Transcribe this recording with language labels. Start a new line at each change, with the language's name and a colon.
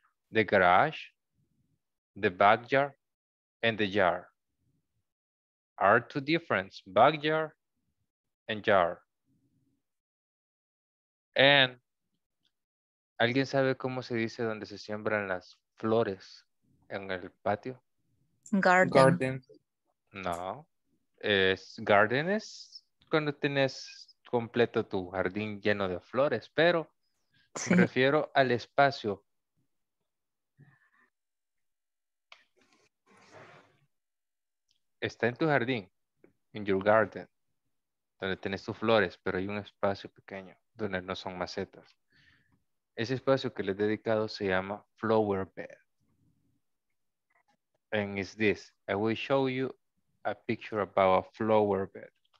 English: The garage, the backyard, and the yard. Are two different, backyard and yard. And,
Spanish: ¿alguien sabe cómo se dice donde se siembran las flores en el patio?
English: Garden.
Spanish: No, es garden es cuando tienes... completo tu jardín lleno de flores, pero sí. Me refiero al espacio. Está en tu jardín,
English: in your garden,
Spanish: donde tienes tus flores, pero hay un espacio pequeño donde no son macetas. Ese espacio que le he dedicado se llama flower bed.
English: And it's this. I will show you a picture about a flower bed.